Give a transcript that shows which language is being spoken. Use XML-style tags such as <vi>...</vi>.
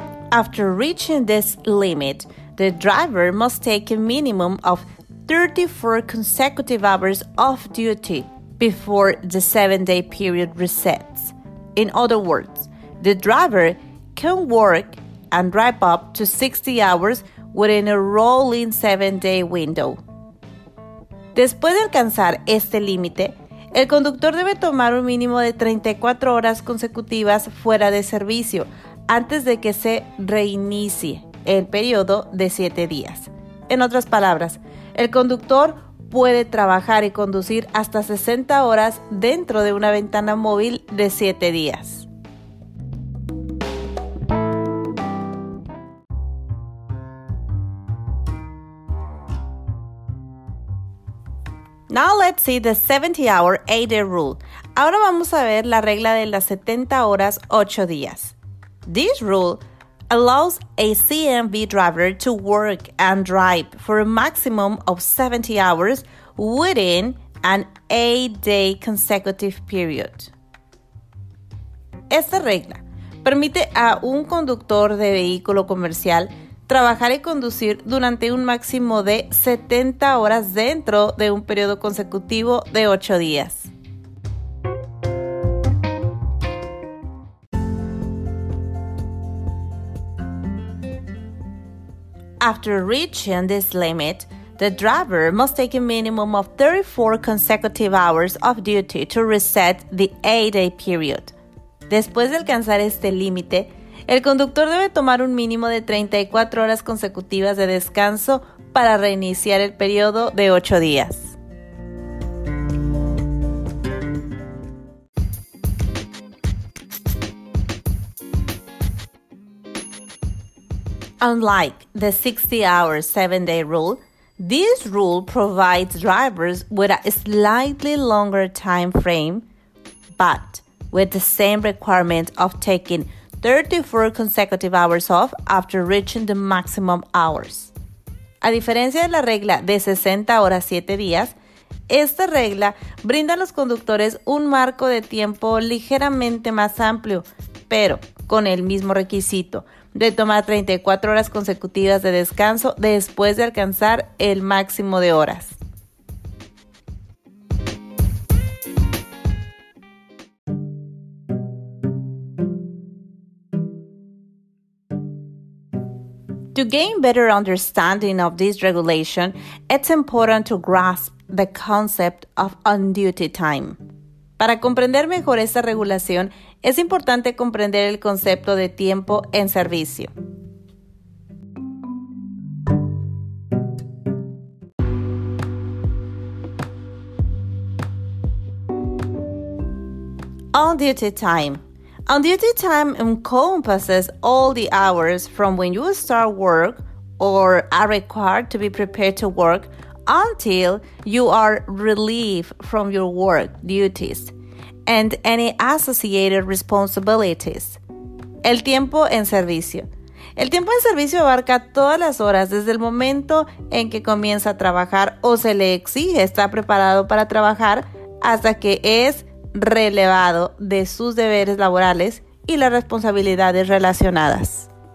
<en>After reaching this limit, the driver must take a minimum of 34 consecutive hours off duty before the 7-day period resets. In other words, the driver can work and drive up to 60 hours within a rolling 7-day window.</en> <es>Después de alcanzar este límite, el conductor debe tomar un mínimo de 34 horas consecutivas fuera de servicio antes de que se reinicie el periodo de 7 días. En otras palabras, el conductor puede trabajar y conducir hasta 60 horas dentro de una ventana móvil de 7 días.</es> <en>Now let's see the 70-hour, 8-day rule.</en> <es>Ahora vamos a ver la regla de las 70 horas, 8 días.</es> <en>This rule allows a CMV driver to work and drive for a maximum of 70 hours within an 8-day consecutive period.</en> <es>Esta regla permite a un conductor de vehículo comercial trabajar y conducir durante un máximo de 70 horas dentro de un periodo consecutivo de 8 días.</es> <en>After reaching this limit, the driver must take a minimum of 34 consecutive hours of duty to reset the 8-day period.</en> <es>Después de alcanzar este límite, el conductor debe tomar un mínimo de 34 horas consecutivas de descanso para reiniciar el periodo de 8 días.</es> <en>Unlike the 60-hour, 7-day rule, this rule provides drivers with a slightly longer time frame, but with the same requirement of taking 34 consecutive hours off after reaching the maximum hours.</en> <es>A diferencia de la regla de 60 horas, 7 días, esta regla brinda a los conductores un marco de tiempo ligeramente más amplio, pero con el mismo requisito de tomar 34 horas consecutivas de descanso después de alcanzar el máximo de horas.</es> <en>To gain better understanding of this regulation, it's important to grasp the concept of on-duty time.</en> <es>Para comprender mejor esta regulación, es importante comprender el concepto de tiempo en servicio.</es> <en>On-duty time. On duty time encompasses all the hours from when you start work or are required to be prepared to work until you are relieved from your work duties and any associated responsibilities.</en> <es>El tiempo en servicio. El tiempo en servicio abarca todas las horas desde el momento en que comienza a trabajar o se le exige estar preparado para trabajar hasta que es relevado de sus deberes laborales y las responsabilidades relacionadas.</es>